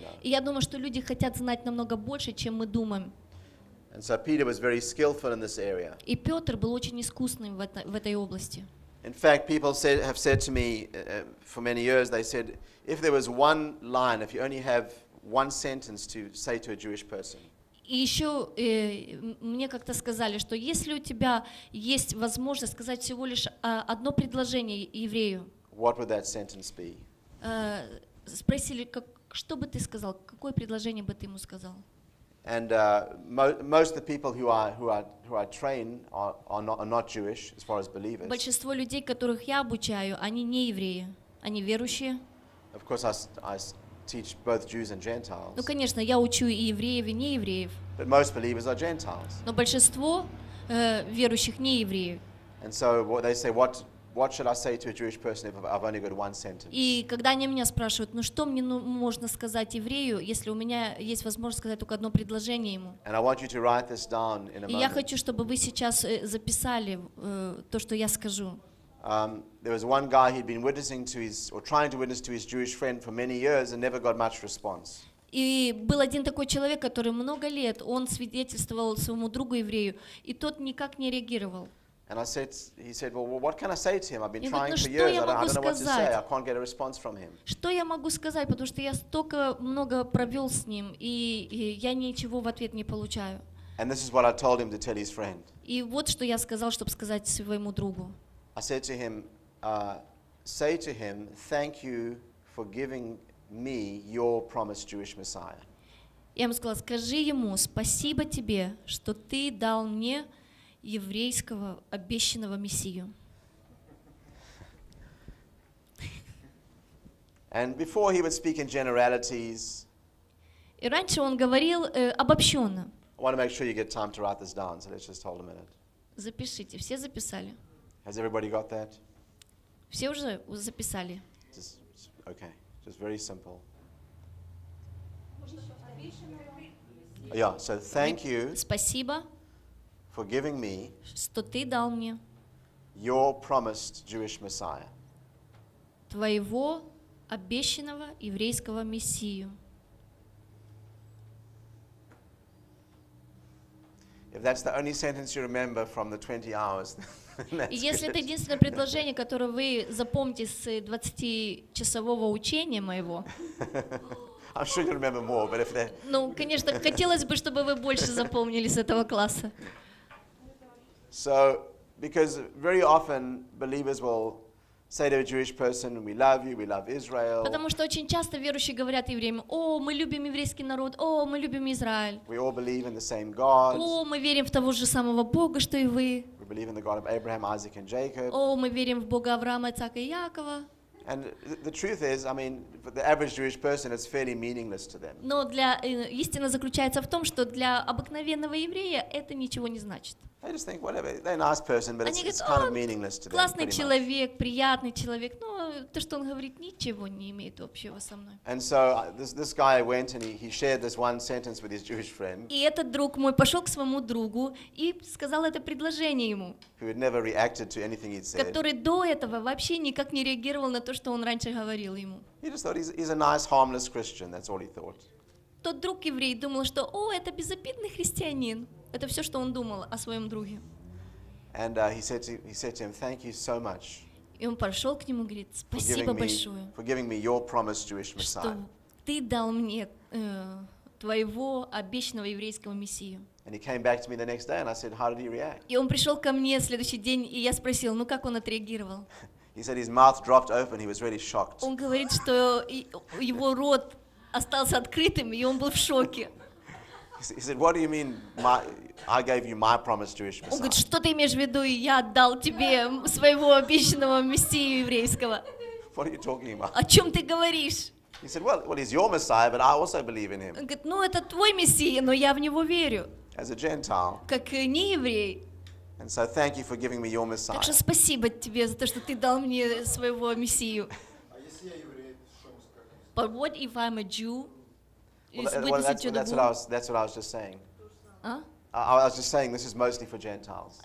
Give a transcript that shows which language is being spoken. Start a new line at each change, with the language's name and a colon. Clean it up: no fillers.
Russian: я думаю, что люди хотят знать намного больше, чем мы думаем.
English: And so Peter was very skillful in this area.
Russian: И Петр был очень искусным в этой области.
English: In fact, people have said to me for many years, they said, if there was one line, if you only have one sentence to say to a Jewish person,
Russian: и еще мне как-то сказали, что если у тебя есть возможность сказать всего лишь одно предложение еврею,
English: what would that sentence be?
Russian: Спросили, как, что бы ты сказал, какое предложение бы ты ему сказал?
English: And most of the people who are trained are not Jewish, as far as believers.
Russian: Большинство людей, которых я обучаю, они не евреи, они верующие.
English: Of course, I teach both Jews and Gentiles.
Russian: Ну, конечно, я учу и евреев, и не евреев.
English: But most believers are Gentiles.
Russian: Но большинство верующих не евреи.
English: And so what they say, what should I say to a Jewish person if I've only got one sentence?
Russian: И когда они меня спрашивают, ну что мне можно сказать еврею, если у меня есть возможность сказать только одно предложение ему?
English: And I want you to write this down in a moment.
Russian: И я хочу, чтобы вы сейчас записали то, что я скажу.
English: There was one guy he'd been witnessing to his, or trying to witness to his Jewish friend for many years and never got much response.
Russian: И был один такой человек, который много лет, он свидетельствовал своему другу еврею, и тот никак не реагировал.
English: And I said, he said, well, what can I say to him? I've been trying for years, I don't know what to say, I can't get a response from him.
Russian: Что я могу сказать, потому что я столько много провел с ним, и я ничего в ответ не получаю.
English: And this is what I told him to tell his friend.
Russian: И вот что я сказал, чтобы сказать своему другу.
English: I said to him, say to him, thank you for giving me your promised Jewish Messiah.
Russian: Я ему сказала, скажи ему, спасибо тебе, что ты дал мне еврейского обещанного Мессию.
English: And before he would speak in generalities.
Russian: И раньше он говорил обобщенно.
English: I want to make sure you get time to write this down, so let's just hold a minute.
Russian: Запишите, все записали.
English: Has everybody got that?
Russian: Все уже записали.
English: Okay, just very simple. Yeah, so thank you.
Russian: Спасибо.
English: For giving me.
Russian: Что ты дал мне.
English: Your promised Jewish Messiah.
Russian: Твоего обещанного еврейского мессию.
English: If that's the only sentence you remember from the 20 hours.
Russian: И если это единственное предложение, которое вы запомните с 20-часового учения моего,
English: I'm sure you'll remember more, but if that...
Russian: ну, конечно, хотелось бы, чтобы вы больше запомнили с этого класса.
English: So, because very often believers will say to a Jewish person, we love you, we love Israel.
Russian: Потому что очень часто верующие говорят евреям, о, мы любим еврейский народ, о, мы любим Израиль.
English: We all believe in the same God.
Russian: О, мы верим в того же самого Бога, что и вы.
English: We believe in the God of Abraham, Isaac, and Jacob.
Russian: О, мы верим в Бога Авраама, Ицхака и Якова.
English: And the truth is, I mean, for the average Jewish person, it's fairly meaningless to them.
Russian: Но для истина заключается в том, что для обыкновенного еврея это ничего не значит.
English: They just think, whatever, they're a nice person, but it's kind of meaningless to them.
Russian: Классный человек, приятный человек, но то, что он говорит, ничего не имеет общего со мной.
English: And so this guy went and he shared this one sentence with his Jewish friend.
Russian: И этот друг мой пошел к своему другу и сказал это предложение ему.
English: Who had never reacted to anything he'd said.
Russian: Который до этого вообще никак не реагировал на то, что он раньше говорил ему.
English: He just thought he's a nice, harmless Christian. That's all he thought.
Russian: Тот друг еврей думал, что, о, это безобидный христианин. Это все, что он думал о своем друге.
English: And he said to him, thank you so much.
Russian: И он пошел к нему и говорит, спасибо большое.
English: For giving me your promised Jewish Messiah.
Russian: Что ты дал мне твоего обещанного еврейского мессию.
English: And he came back to me the next day, and I said, how did he react?
Russian: И он пришел ко мне следующий день, и я спросил, ну как он отреагировал?
English: He said his mouth dropped open, he was really shocked.
Russian: Он говорит, что его рот остался открытым, и он был в шоке.
English: He said, what do you mean, I gave you my promised Jewish Messiah?
Russian: Он говорит, что ты имеешь в виду, я отдал тебе своего обещанного мессию еврейского?
English: What are you talking about?
Russian: О чем ты говоришь?
English: He said, well, he's your Messiah, but I also believe in him.
Russian: Он говорит, ну это твой мессия, но я в него верю.
English: As a Gentile.
Russian: Как не еврей.
English: And so thank you for giving me your Messiah.
Russian: Так что спасибо тебе за то, что ты дал мне своего мессию.
English: But what if I'm a Jew? Well, that's what I was just saying. I was just saying this is mostly for Gentiles.